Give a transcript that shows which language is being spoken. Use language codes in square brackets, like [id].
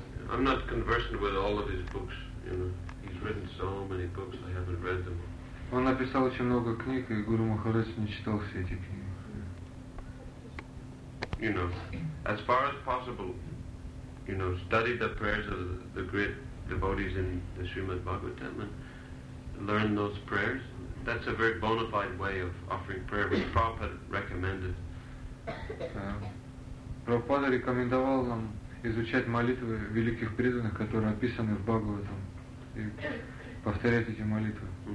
[en] I'm not conversant with all of his books. You know, he's written so many books. I haven't read them all. [ru] Он написал очень много книг, и Гуру Махарадж не читал все эти книги. [en] You know, as far as possible, you know, study the prayers of the great devotees in the Srimad Bhagavatam and learn those prayers. That's a very bona fide way of offering prayer, which Prabhupada recommended. [ru] Prabhupada рекомендовал нам изучать молитвы великих преданных, которые описаны в Бхагаватам, и повторять эти молитвы.